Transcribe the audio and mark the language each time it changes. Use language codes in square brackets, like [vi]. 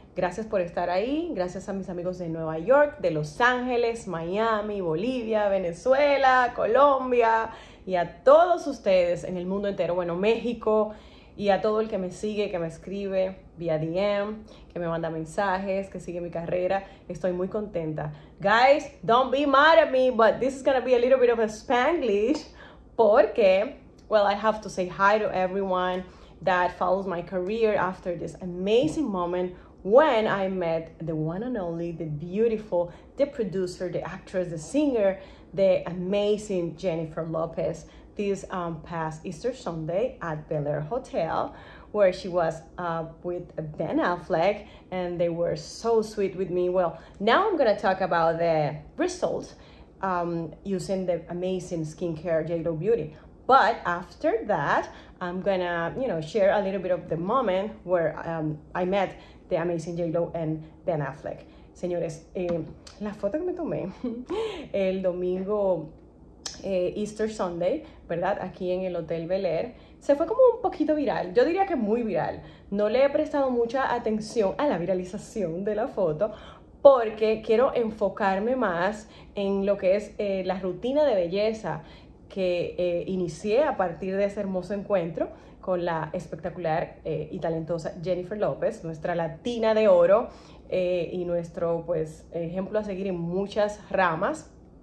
[es] Gracias por estar ahí, gracias a mis amigos de Nueva York, de Los Ángeles, Miami, Bolivia, Venezuela, Colombia y a todos ustedes en el mundo entero, bueno, México y a todo el que me sigue, que me escribe vía DM, que me manda mensajes, que sigue mi carrera. Estoy muy contenta. [en] Guys, don't be mad at me, but this is gonna be a little bit of a Spanglish [es] porque, [en] well, I have to say hi to everyone that follows my career after this amazing moment. When I met the one and only, the beautiful, the producer, the actress, the singer, the amazing Jennifer Lopez this past Easter Sunday at Bel Air Hotel, where she was with Ben Affleck, and they were so sweet with me. Well, now I'm gonna talk about the results using the amazing skincare J.Lo Beauty. But after that, I'm gonna, you know, share a little bit of the moment where I met The Amazing J-Lo and Ben Affleck. [es] Señores, la foto que me tomé el domingo, Easter Sunday, ¿verdad? Aquí en el Hotel Bel Air, se fue como un poquito viral. Yo diría que muy viral. No le he prestado mucha atención a la viralización de la foto porque quiero enfocarme más en lo que es la rutina de belleza que inicié a partir de ese hermoso encuentro con la espectacular y talentosa Jennifer Lopez, nuestra latina de oro y nuestro pues ejemplo a seguir en muchas ramas.